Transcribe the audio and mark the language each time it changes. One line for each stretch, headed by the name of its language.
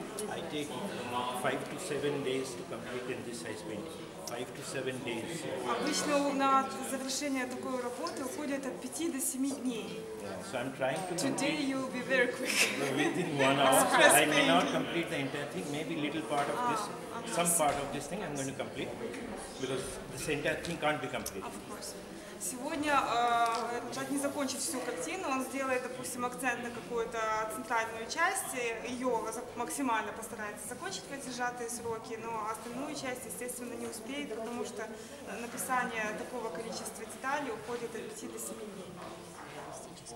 English: I take 5 to 7 days to complete in this size painting. 5 to 7 days.
Russian: Обычно на завершение такой работы уходит от 5 до 7 дней.
English: So I'm trying to. Today you will be very quick. Within 1 hour, so I may not complete the entire thing. Maybe little part of this, some part of this thing, I'm going to complete because this entire thing can't be complete. Of course.
Russian: Сегодня Раджат не закончит всю картину, он сделает, допустим, акцент на какую-то центральную часть, ее максимально постарается закончить в эти сжатые сроки, но остальную часть, естественно, не успеет, потому что написание такого количества деталей уходит от 5 до 7 дней.